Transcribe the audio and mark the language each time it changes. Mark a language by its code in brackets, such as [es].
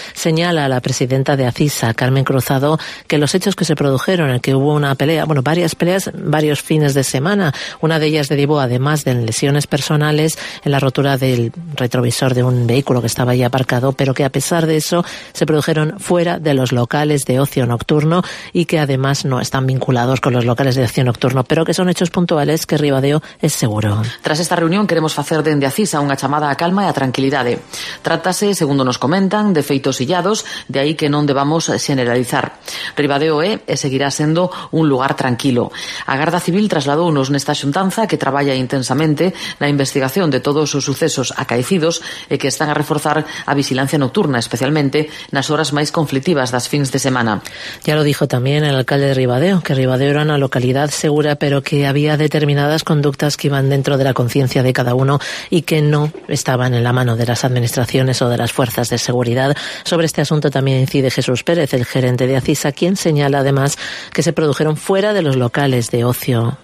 [es] Señala la presidenta de Acisa, Carmen Cruzado, que los hechos que se produjeron, en que hubo una pelea, bueno, varias peleas, varios fines de semana, una de ellas derivó, además de lesiones personales, en la rotura del retrovisor de un vehículo que estaba ahí aparcado, pero que a pesar de eso se produjeron fuera de los locales de ocio nocturno y que además no están vinculados con los locales de ocio nocturno, pero que son hechos puntuales que Ribadeo es seguro. [gl] Tras esta reunión queremos facer dende Acisa unha chamada a calma e a tranquilidade. Trátase, segundo nos comentan, de feitos illados, de aí que non debamos generalizar. Ribadeo é e seguirá sendo un lugar tranquilo. A Garda Civil trasladounos nesta xuntanza que traballa intensamente na investigación de todos os sucesos acaecidos e que están a reforzar a vixilancia nocturna, especialmente nas horas máis conflictivas das fins de semana. [es] Ya lo dijo tamén el alcalde de Ribadeo, que Ribadeo era [gl] unha localidade segura, [es] pero que había determinadas conductas que iban dentro de la conciencia de cada uno y que no estaban en la mano de las administraciones o de las fuerzas de seguridad. Sobre este asunto tamén incide Jesús Pérez, el gerente de Acisa, quien señala además que se produjeron fuera de los locales de ocio.